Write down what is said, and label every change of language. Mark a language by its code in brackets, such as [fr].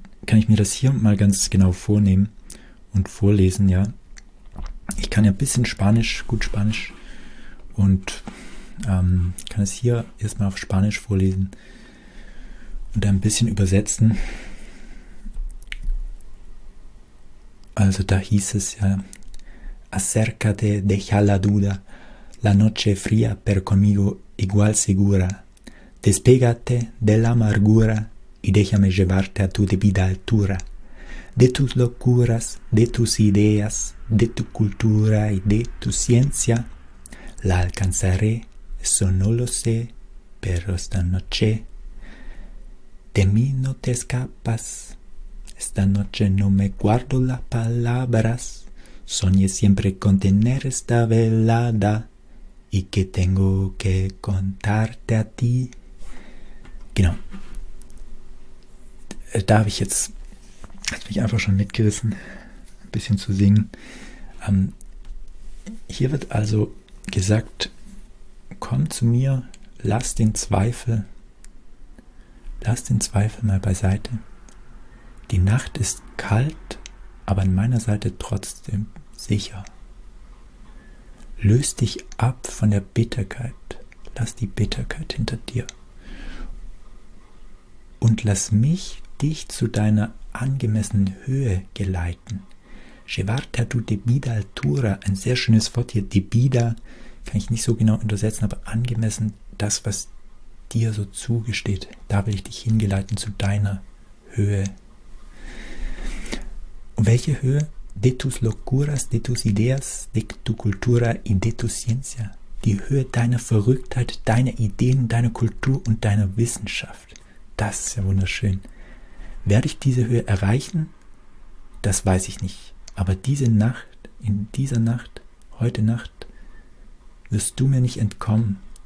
[de] kann ich mir das hier mal ganz genau vornehmen und vorlesen, ja. Ich kann ja ein bisschen Spanisch, gut Spanisch, und kann es hier erstmal auf Spanisch vorlesen und ein bisschen übersetzen. [es] Also da hieß es ja, acércate, deja la duda, la noche fría per conmigo igual segura, despégate de la amargura y déjame llevarte a tu debida altura, de tus locuras, de tus ideas, de tu cultura y de tu ciencia, la alcanzaré, eso no lo sé, pero esta noche de mí no te escapas. Esta noche no me guardo las palabras, soñé siempre con tener esta velada y que tengo que contarte a ti. [de] Genau. Da habe ich jetzt, hat mich einfach schon mitgerissen, ein bisschen zu singen. Hier wird also gesagt, komm zu mir, lass den Zweifel mal beiseite. Die Nacht ist kalt, aber an meiner Seite trotzdem sicher. Löst dich ab von der Bitterkeit. Lass die Bitterkeit hinter dir. Und lass mich dich zu deiner angemessenen Höhe geleiten. [es] Llevarte a tu debida altura. [de] Ein sehr schönes Wort hier. Debida kann ich nicht so genau untersetzen, aber angemessen das, was dir so zugesteht. Da will ich dich hingeleiten zu deiner Höhe. Und welche Höhe? [es] De tus locuras, de tus ideas, de tu cultura y de tu ciencia. [de] Die Höhe deiner Verrücktheit, deiner Ideen, deiner Kultur und deiner Wissenschaft. Das ist ja wunderschön. Werde ich diese Höhe erreichen? Das weiß ich nicht. Aber diese Nacht, in dieser Nacht, heute Nacht, wirst du mir nicht entkommen.